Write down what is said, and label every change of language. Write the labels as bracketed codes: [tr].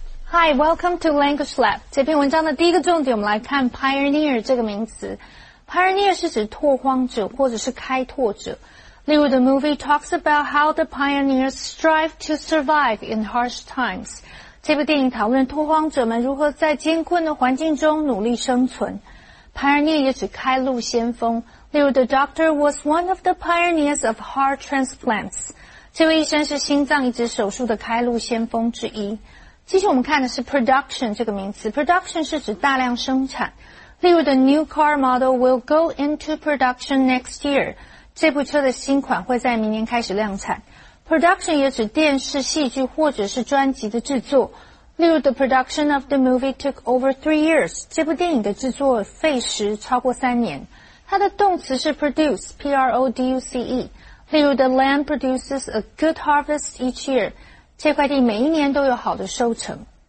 [en] Hi, welcome to Language Lab. [zh] 这篇文章的第一个重点，我们来看 pioneer 这个名词。 Pioneer 是指拓荒者或者是开拓者。例如 [en] the movie talks about how the pioneers strive to survive in harsh times. [zh] 这部电影讨论拓荒者们如何在艰困的环境中努力生存。 Pioneer 也指开路先锋。例如 [en] the doctor was one of the pioneers of heart transplants. [zh] 这位医生是心脏移植手术的开路先锋之一。接下来我们看的是 production 这个名词。production 是指大量生产。例如 [en] the new car model will go into production next year. [zh] 这部车的新款会在明年开始量产。 production 也指电视、戏剧或者是专辑的制作。例如 [en] the production of the movie took over 3 years. [zh] 这部电影的制作费时超过三年。它的动词是 produce, P-R-O-D-U-C-E。例如 [en] the land produces a good harvest each year. [zh] 这块地每一年都有好的收成。